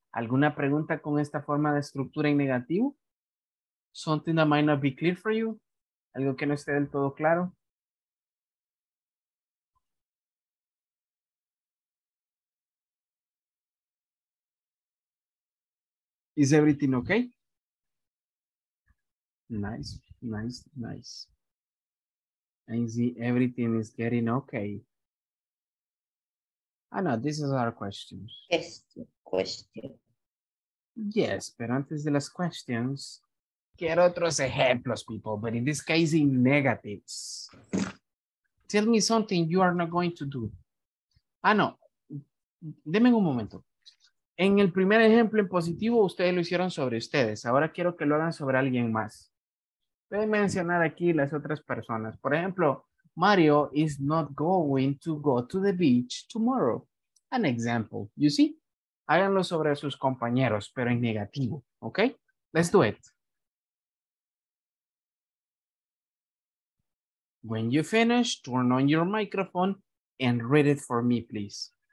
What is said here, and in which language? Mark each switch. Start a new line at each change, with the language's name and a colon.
Spanish: ¿Alguna pregunta con esta forma de estructura en negativo?
English: Something that might not be clear for you?
Spanish: ¿Algo que no esté del todo claro?
English: Is everything okay? Nice, nice, nice. I see everything is getting okay. Ah, no, this is our questions. Question. Yes,
Spanish: pero antes de las
English: questions,
Spanish: quiero otros ejemplos,
English: people, but in this case, in negatives. Tell me something you are not going to do.
Spanish: Ah, no, deme un momento. En el primer ejemplo en positivo, ustedes lo hicieron sobre ustedes. Ahora quiero que lo hagan sobre alguien más. Pueden mencionar aquí las otras personas. Por ejemplo,
English: Mario is not going to go to the beach tomorrow. An example, you see?
Spanish: Háganlo sobre sus compañeros, pero en negativo, ¿ok?
English: Let's do it. When you finish, turn on your microphone and read it for me, please.